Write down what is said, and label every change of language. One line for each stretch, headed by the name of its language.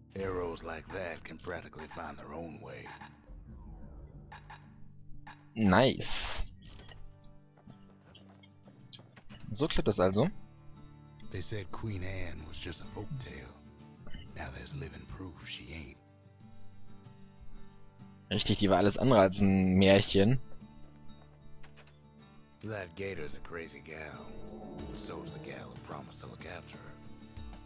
English: Arrows like that can practically find their own way. Nice.
German: So klappt das also.
English: They said Queen Anne was just a folk tale. Now there's living proof she ain't.
German: Richtig, die war alles andere als ein Märchen.
English: That Gator's a crazy gal, but so is the gal who promised to look after her.